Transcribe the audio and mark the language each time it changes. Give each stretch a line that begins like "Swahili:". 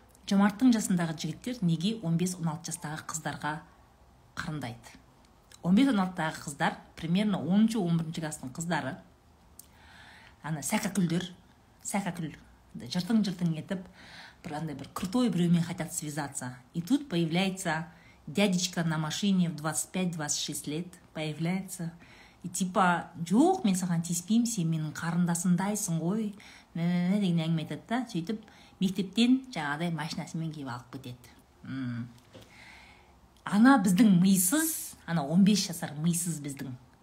Kazakh: Жомарттың жасындағы жігіттер неге 15-16 жастағы қыздарға қырындайды? 15-16-дағы қыздар, примерно 10-11 жастың қыздары, ана сәкәкүлдер, сәкәкүл, жыртың-жыртың етіп, бір андай бір крутой біреумен
Russian: хотят связаться. И тут появляется дядечка на машине в 25-26 лет, появляется. И типа,
Kazakh: жоқ, мен саған тиіспеймін, сен менің қарындасындайсың ғой. Мен деген әңгіме айтады да, сөйтіп мектептен жаңағыдай машинасымен келіп алып кетеді. Ана біздің мисыз, ана 15 жасар мисыз біздің.